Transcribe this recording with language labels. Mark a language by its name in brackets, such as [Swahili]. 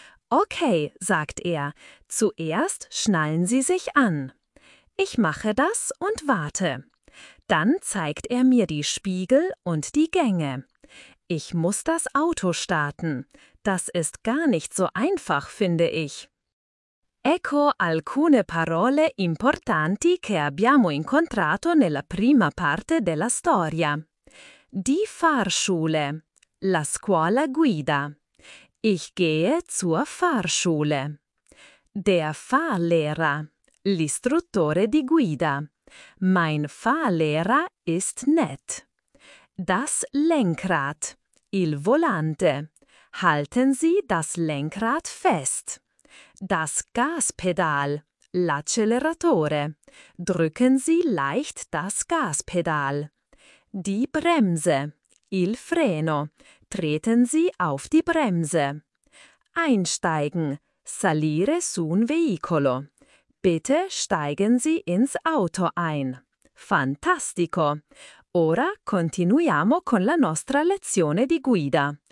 [German] Okay, sagt er, zuerst schnallen Sie sich an. Ich mache das und warte. Dann zeigt er mir die Spiegel und die Gänge. Ich muss das Auto starten. Das ist gar nicht so einfach, finde ich. [Italian] Ecco alcune parole importanti che abbiamo incontrato nella prima parte della storia. [German] Die Fahrschule. [Italian] La scuola guida. [German] Ich gehe zur Fahrschule. Der Fahrlehrer. [Italian] L'istruttore di guida. [German] Mein Fahrlehrer ist nett. Das Lenkrad. [Italian] Il volante. [German] Halten Sie das Lenkrad fest. Das Gaspedal. [Italian] L'acceleratore. [German] Drücken Sie leicht das Gaspedal. Die Bremse. [Italian] Il freno. [German] Treten Sie auf die Bremse. Einsteigen. [Italian] Salire su un veicolo. [German] Bitte steigen Sie ins Auto ein. [Italian] Fantastico. Ora continuiamo con la nostra lezione di guida.